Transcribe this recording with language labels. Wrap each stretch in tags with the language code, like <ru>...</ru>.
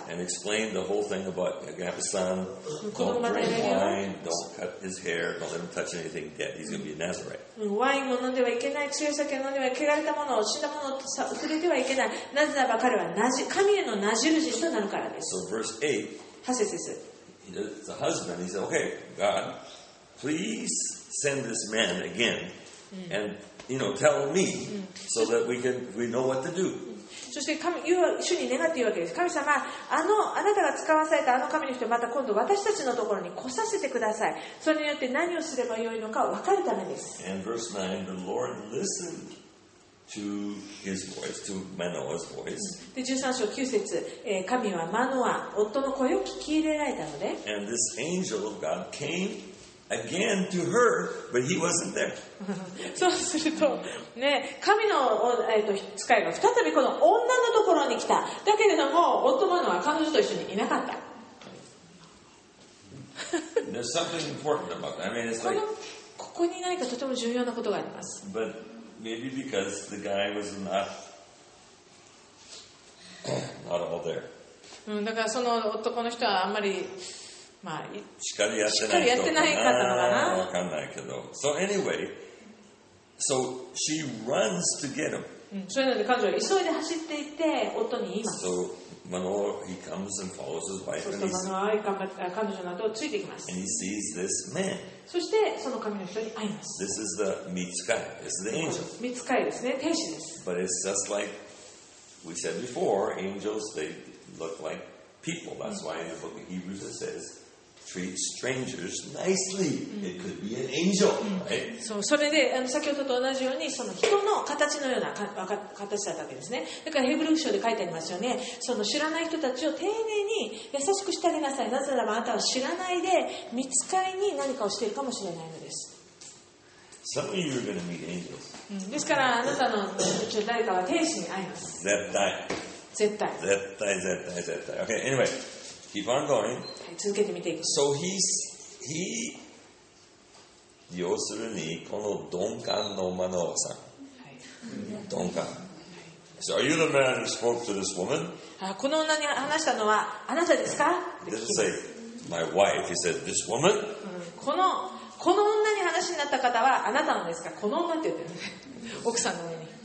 <en>And explained the whole thing about Agabus-san. Don't drink wine. Don't cut his hair. Don't let him touch anything dead. He's going to be a Nazarite.</en> <ja>ワインも飲んではいけない。強い酒飲んでは汚れたもの、死んだものと触れてはいけない。なぜならば彼は神へのナジル人となるからです。</ja> <en>So verse 8.</en> <ja>8節です。</ja> <en>The husband, he said, okay, God, please send this man again and, you know, tell me so that we know what to do.</en> <ja>そして神は主に願っているわけです。神様、あなたが使わされたあの神の人をまた今度私たちのところに来させてください。それによって何をすればよいのか分かるためです。</ja> <en>And verse 9, the Lord listened to his voice, to Manoah's voice.</en> <ja>で13章9節、神はマノア、夫の声を聞き入れられたので。</ja> <en>And this angel of God came again to her, but he wasn't there.</en> <ja>そうするとね、神の、使いが再びこの女のところに来た。だけれども夫マノア彼女と一緒にいなかった。</ja> <en>There's something important about that. I mean, it's like</en> <ja>ここに何かとても重要なことがあります。 But maybe because the guy was not all there. うん、だからその男の人はあんまり。しっかりやってない人かな、わかんないけど。</ja> <en>So anyway, so she runs to get him.</en> <ja>それなので彼女は急いで走っていって夫に言います。</ja> <en>So Manoah, he comes and follows his wife.</en> <ja>そして Manoah は彼女の後をついていきます。</ja> <en>And he sees this man.</en> <ja>そしてその神の人に会います。</ja> <en>This is the Mitzkai. This is the angel.</en> <ja>Mitzkai ですね、天使です。</ja> <en>But it's just like we said before, angels, they look like people. That's why in the book of Hebrews it says, treat strangers nicely. It could be an angel, right?</en> <ja>そう、それで先ほどと同じようにその人の形のような形だったわけですね。だからヘブル書で書いてありますよね。その知らない人たちを丁寧に優しくしてあげなさい。なぜならばあなたは知らないで見つかりに何かをしているかもしれないのです。</ja> <en>Some of you are going to meet angels.</en> <ja>ですからあなたの誰かは天使に会います。絶対。絶対。絶対、絶対、絶対。</ja> <en>Okay, anyway, keep on going.</en> <ja>はい、続けてみていく。</ja> <en>So he</en> <ja>要するに、この鈍感のマノアさん。鈍感。</ja> <en>So are you the man who spoke to this woman?</en> <ja>この女に話したのはあなたですか?</ja> <en>He didn't say, my wife. He said, this woman?</en> <ja>この女に話になった方はあなたなんですか? この女って言ってるね。奥さんの上に。</ja>